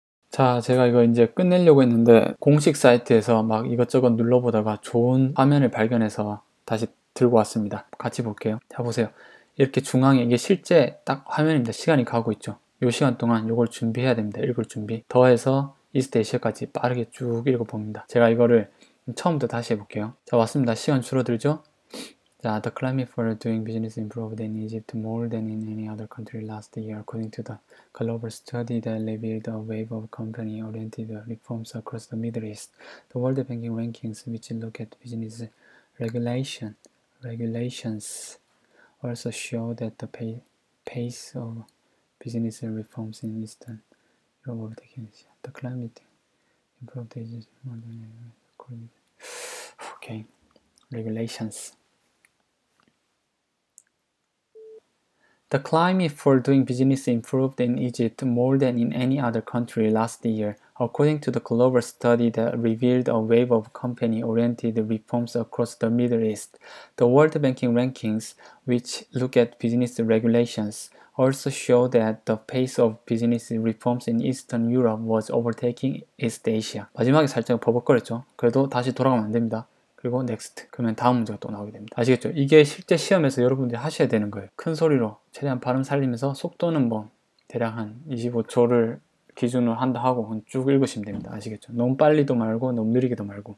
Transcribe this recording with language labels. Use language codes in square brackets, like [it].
[ko] 자, 제가 이거 이제 끝내려고 했는데 공식 사이트에서 막 이것저것 눌러보다가 좋은 화면을 발견해서 다시 들고 왔습니다. 같이 볼게요. 자, 보세요. 이렇게 중앙에 이게 실제 딱 화면입니다. 시간이 가고 있죠. 요 시간 동안 요걸 준비해야 됩니다. 읽을 준비. 더해서 이스트 에시아까지 빠르게 쭉 읽어봅니다. 제가 이거를 처음부터 다시 해볼게요. 자, 왔습니다. 시간 줄어들죠? [en] 자, the climate for doing business improved in Egypt more than in any other country last year, according to the global study that revealed a wave of company-oriented reforms across the Middle East. The World Banking rankings, which look at business regulations, also show that the pace of business reforms in Eastern Europe taking the climate improved Egypt more than in according to okay. Regulations. The climate for doing business improved in Egypt more than in any other country last year, according to the global study that revealed a wave of company-oriented reforms across the Middle East. The World Banking rankings, which look at business regulations, also show that the pace of business reforms in Eastern Europe was overtaking East Asia. [ko] 마지막에 살짝 버벅거렸죠? 그래도 다시 돌아가면 안 됩니다. 그리고 next. 그러면 다음 문제가 또 나오게 됩니다. 아시겠죠? 이게 실제 시험에서 여러분들이 하셔야 되는 거예요. 큰 소리로 최대한 발음 살리면서 속도는 뭐 대략 한 25초를 기준으로 한다 하고 쭉 읽으시면 됩니다. 아시겠죠? 너무 빨리도 말고 너무 느리게도 말고.